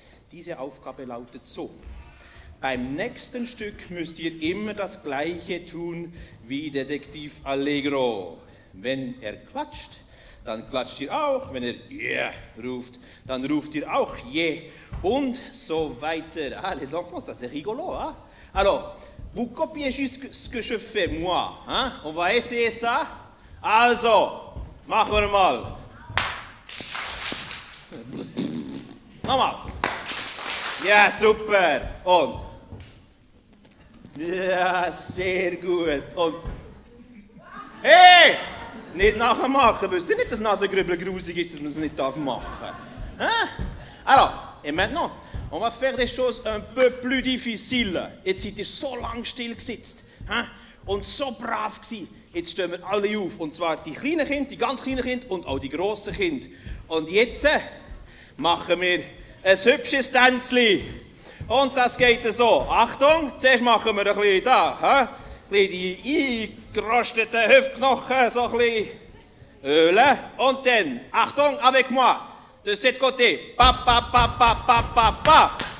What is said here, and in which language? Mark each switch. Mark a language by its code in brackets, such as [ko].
[de] Diese Aufgabe lautet so. Beim nächsten Stück müsst ihr immer das Gleiche tun wie Detektiv Allegro. Wenn er klatscht, dann klatscht ihr auch. Wenn er yeah ruft, dann ruft ihr auch yeah. Und so weiter. [fr] Ah, les enfants, ça c'est rigolo, hein? Alors, vous copiez juste ce que je fais, moi, hein? On va essayer ça? [de] Also, machen wir mal. Nochmal. Ja, super. Und. Ja, sehr gut. Und. Hey! Nicht nachmachen. Wisst ihr nicht, dass Nasengrübel grusig ist, dass man es nicht machen darf? [fr] Alors, et maintenant, on va faire des choses un peu plus difficiles. [de] Jetzt seid ihr so lang still gesitzt. Hein? Und so brav gewesen. Jetzt stehen wir alle auf, und zwar die kleinen Kinder, die ganz kleinen Kinder und auch die grossen Kinder. Und jetzt machen wir ein hübsches Tänzli. Und das geht so. Achtung, zuerst machen wir ein bisschen da, ein bisschen die eingerosteten Hüftknochen, so ein bisschen ölen. Und dann, Achtung, [fr] avec moi, de cette côté, pa, pa, pa, pa, pa, pa, pa.